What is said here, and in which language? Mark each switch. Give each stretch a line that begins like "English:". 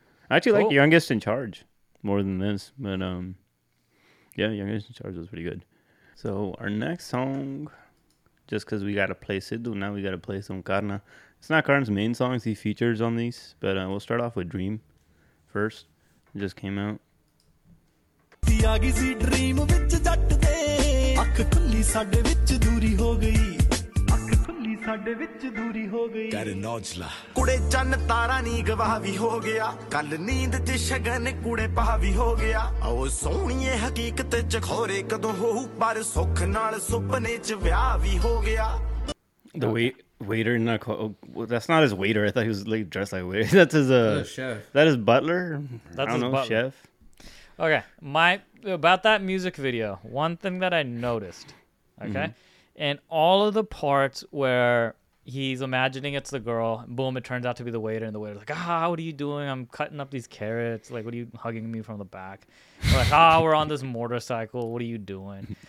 English: I actually like Youngest in Charge more than this, but, yeah, Youngest in Charge was pretty good. So, our next song, just because we got to play Sidhu, now we got to play some Karna. It's not Karna's main songs. He features on these, but we'll start off with Dream first. It just came out.
Punjabi: ਆਗੀ ਸੀ dream ਵਿੱਚ ਜੱਟ ਦੇ ਅੱਖ ਖੁੱਲੀ ਸਾਡੇ ਵਿੱਚ ਦੂਰੀ ਹੋ ਗਈ ਅੱਖ ਖੁੱਲੀ ਸਾਡੇ ਵਿੱਚ ਦੂਰੀ ਹੋ ਗਈ ਕਰ ਨੌਜਲਾ ਕੁੜੇ ਚੰਨ ਤਾਰਾ ਨਹੀਂ ਗਵਾਹ ਵੀ ਹੋ ਗਿਆ ਕੱਲ ਨੀਂਦ ਚ ਸ਼ਗਨ ਕੁੜੇ ਪਾ ਵੀ ਹੋ ਗਿਆ ਓ ਸੋਹਣੀਏ ਹਕੀਕਤ ਚ ਖੋਰੇ ਕਦੋਂ ਹੋਊ ਪਰ ਸੁੱਖ ਨਾਲ ਸੁਪਨੇ ਚ ਵਿਆਹ ਵੀ ਹੋ ਗਿਆ
English: The waiter in that that's not his waiter. I thought he was like dressed like a waiter. That's his chef. That is butler. That's his butler. Chef. Okay, about that music video, one thing that I noticed, okay, in all of the parts where he's imagining it's the girl, boom, it turns out to be the waiter, and the waiter's like, what are you doing? I'm cutting up these carrots. Like, what are you hugging me from the back? We're like, we're on this motorcycle. What are you doing?